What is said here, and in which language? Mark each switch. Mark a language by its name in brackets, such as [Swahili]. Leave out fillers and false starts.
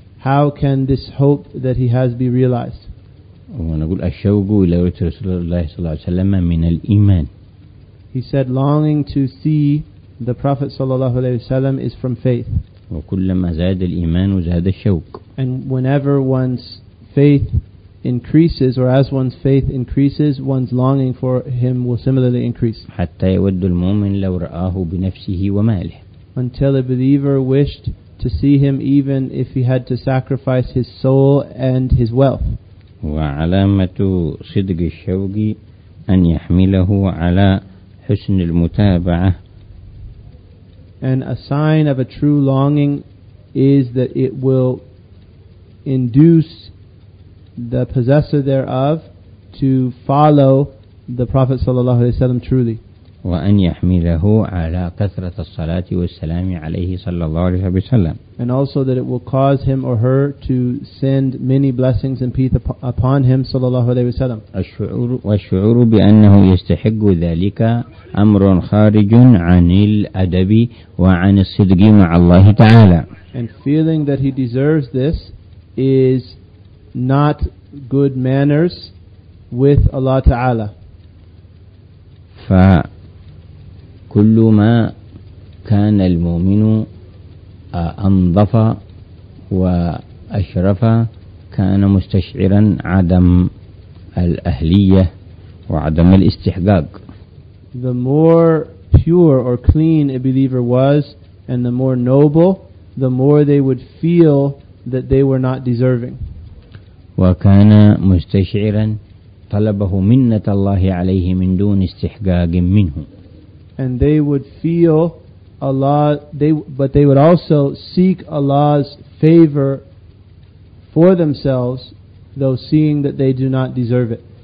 [English] How can this hope that he has be realized? [Arabic] ونقول الشوق إلى رسول الله صلى الله عليه وسلم من الإيمان. [English] He said, longing to see the Prophet [Arabic] صلى الله عليه وسلم [English] is from faith. [Arabic] وكلما زاد الإيمان زاد الشوق. [English] And whenever one's faith increases, or as one's faith increases, one's longing for him will similarly increase. [Arabic] حتى يود المؤمن لو رآه بنفسه وماله. [English] Until a believer wished to see him even if he had to sacrifice his soul and his wealth. [Arabic] وعلامة صدق الشوق أن يحمله على حسن المتابعة. [English] And a sign of a true longing is that it will induce the possessor thereof to follow the Prophet sallallahu alaihi wasallam truly. [Arabic] وأن يحمله على كثرة الصلاة والسلام عليه صلى الله عليه وسلم. [English] And also that it will cause him or her to send many blessings and peace upon him [Arabic] صلى الله عليه وسلم. والشعور بأنه يستحق ذلك أمر خارج عن الأدب وعن الصدق مع الله تعالى. [English] And feeling that he deserves this is not good manners with Allah Ta'ala. [Arabic] فكل ما كان المؤمن أنظف وأشرف كان مستشعرا عدم الأهلية وعدم الاستحقاق. [English] The more pure or clean a believer was and the more noble, the more they would feel that they were not deserving. [Arabic] وكان مستشعرا طلبه منة الله عليه من دون استحقاق منه. [English] And they would feel Allah, but they would also seek Allah's favor for themselves, though seeing that they do not deserve it.